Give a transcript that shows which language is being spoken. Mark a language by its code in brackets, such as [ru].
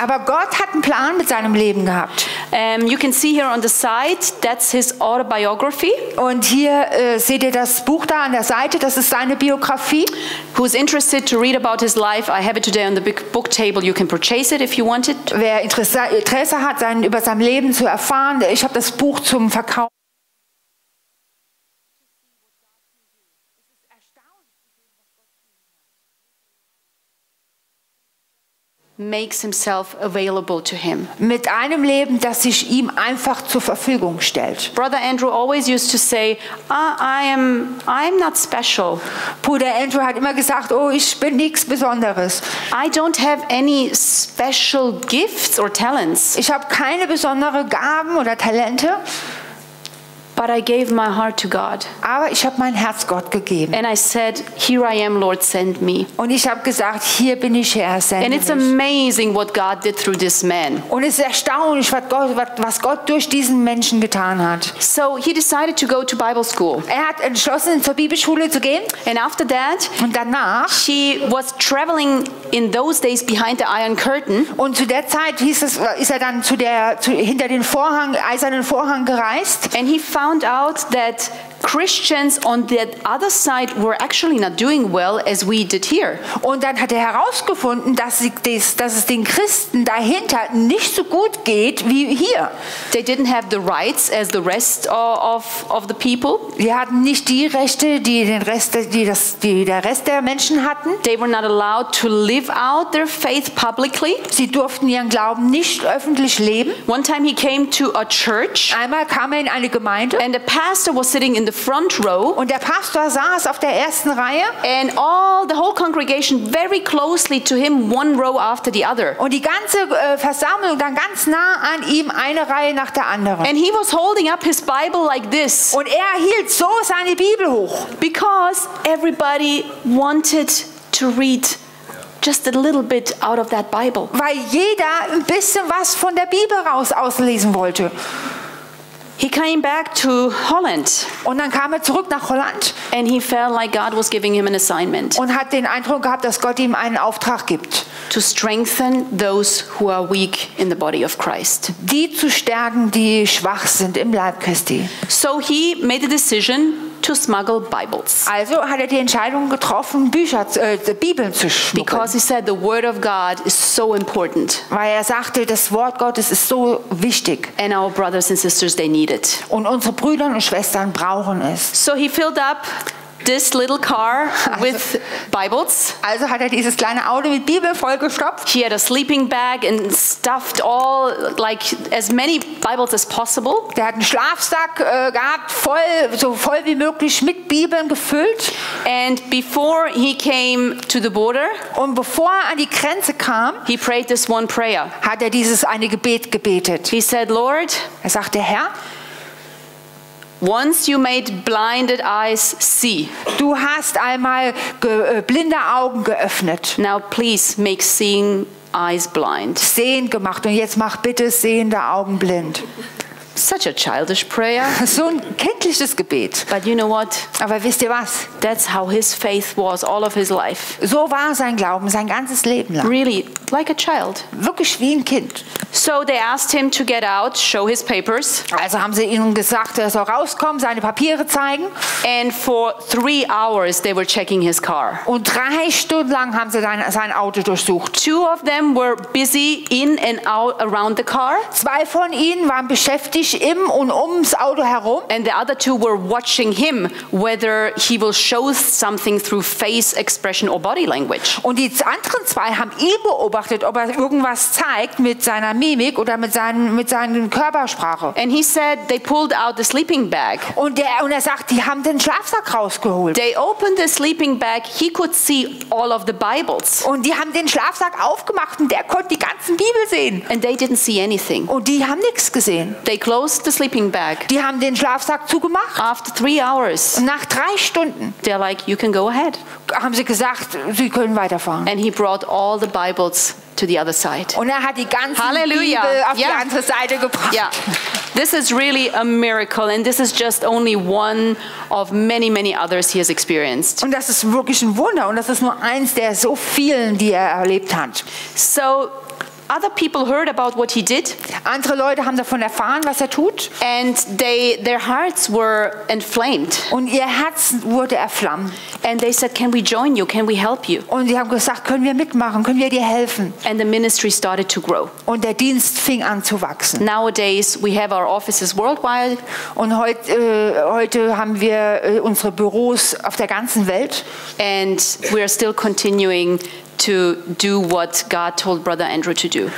[de] Aber Gott hat einen Plan mit seinem Leben gehabt. [en] You can see here on the side, that's his autobiography. [de] Und hier seht ihr das Buch da an der Seite, das ist seine Biografie. [en] Who's interested to read about his life, I have it today on the big book table. You can purchase it if you want it. [de] Wer Interesse hat, über sein Leben zu erfahren, ich habe das Buch zum Verkauf. [en] Makes himself available to him. [de] Mit einem Leben, das sich ihm einfach zur Verfügung stellt. [en] Brother Andrew always used to say, I'm not special. [de] Bruder Andrew hat immer gesagt, oh, ich bin nichts Besonderes. [en] I don't have any special gifts or talents. [de] Ich habe keine besonderen Gaben oder Talente. [en] But I gave my heart to God. [de] Aber ich habe mein Herz Gott gegeben. [en] And I said, "Here I am, Lord, send me." [de] Und ich habe gesagt, hier bin ich, Herr, sende mich. [en] And it's amazing what God did through this man. [de] Und es ist erstaunlich, was Gott durch diesen Menschen getan hat. [en] So he decided to go to Bible school. [de] Er hat entschlossen, zur Bibelschule zu gehen. [en] And after that, [de] und danach, [en] she was traveling in those days behind the Iron Curtain. [de] Und zu der Zeit ist er dann hinter den Vorhang, eisernen Vorhang gereist. [en] And he found out that Christians on the other side were actually not doing well as we did here. [de] Und dann hat er herausgefunden, dass es den Christen dahinter nicht so gut geht wie hier. [en] They didn't have the rights as the rest of the people. [de] Die hatten nicht die Rechte, die der Rest der Menschen hatten. [en] They were not allowed to live out their faith publicly. [de] Sie durften ihren Glauben nicht öffentlich leben. [en] One time he came to a church. [de] Einmal kam er in eine Gemeinde. [en] And the pastor was sitting in the front row, [de] und der Pastor saß auf der ersten Reihe, [en] and all the whole congregation very closely to him, one row after the other, [de] und die ganze Versammlung dann ganz nah an ihm, eine Reihe nach der anderen, [en] and he was holding up his Bible like this, [de] und er hielt so seine Bibel hoch, [en] because everybody wanted to read just a little bit out of that Bible, [de] weil jeder ein bisschen was von der Bibel raus auslesen wollte. [en] He came back to Holland. [de] Und dann kam er zurück nach Holland. [en] And he felt like God was giving him an assignment. [de] Und hat den Eindruck gehabt, dass Gott ihm einen Auftrag gibt. [en] To strengthen those who are weak in the body of Christ. [de] Die zu stärken, die schwach sind im Leib Christi. [en] So he made the decision to smuggle Bibles. [de] Also hat er die Entscheidung getroffen, Bibeln zu schmuggeln. [en] Because he said the word of God is so important. [de] Weil er sagte, das Wort Gottes ist so wichtig. [en] And our brothers and sisters, they need it. [de] Und unsere Brüder und Schwestern brauchen es. [en] So he filled up this little car with Bibles. [de] Also hat er dieses kleine Auto mit Bibel vollgestopft. [en] He had a sleeping bag and stuffed all, like, as many Bibles as possible. [de] Der hat einen Schlafsack gehabt, so voll wie möglich mit Bibeln gefüllt. [en] And before he came to the border, [de] und bevor er an die Grenze kam, [en] he prayed this one prayer. [de] Hat er dieses eine Gebet gebetet. [en] He said, Lord, [de] er sagte, Herr, [en] once you made blinded eyes see. [de] Du hast einmal blinde Augen geöffnet. [en] Now please make seeing eyes blind. [de] Sehend gemacht, und jetzt mach bitte sehende Augen blind. [en] Such a childish prayer. [de] So ein kindliches Gebet. [en] But you know what? [de] Aber wisst ihr was? [en] That's how his faith was all of his life. [de] So war sein Glauben sein ganzes Leben lang. [en] Really, like a child. [de] Wirklich wie ein Kind. [en] So they asked him to get out, show his papers. [de] Also haben sie ihm gesagt, er soll rauskommen, seine Papiere zeigen. [en] And for 3 hours they were checking his car. [de] Und 3 Stunden lang haben sie sein Auto durchsucht. [en] 2 of them were busy in and out around the car. [de] 2 von ihnen waren beschäftigt im und ums Auto herum. [en] And the other 2 were watching him, whether he will show something through face expression or body language. [de] Und die anderen 2 haben ihn beobachtet, ob er irgendwas zeigt mit seiner Mimik oder mit seinen Körpersprache. [en] And he said they pulled out the sleeping bag. [de] Und er sagt, die haben den Schlafsack rausgeholt. [en] They opened the sleeping bag. He could see all of the Bibles. [de] Und die haben den Schlafsack aufgemacht, und der konnte die ganzen Bibel sehen. sehen. [en] And they didn't see anything. [de] Und die haben nichts gesehen. [en] They closed the sleeping bag. [de] Die haben den Schlafsack zugemacht. [en] After 3 hours. [de] Nach 3 Stunden. [en] They're like, you can go ahead. [de] Haben sie gesagt, sie können weiterfahren. [en] And he brought all the Bibles to the other side. [de] Und er hat die ganze Bibel auf die andere Seite gebracht. Yeah. [en] This is really a miracle, and this is just only one of many, many others he has experienced. [de] Und das ist wirklich ein Wunder, und das ist nur eins der so vielen, die er erlebt hat. [en] So, other people heard about what he did. [de] Andere Leute haben davon erfahren, was er tut. [en] And their hearts were inflamed. [de] Und ihr Herz wurde erflammt. [en] And they said, "Can we join you? Can we help you?" [de] Und sie haben gesagt, können wir mitmachen? Können wir dir helfen? [en] And the ministry started to grow. [de] Und der Dienst fing an zu wachsen. [en] Nowadays we have our offices worldwide. [de] Und heute haben wir unsere Büros auf der ganzen Welt. [en] And we are still continuing to do what God told Brother Andrew to do.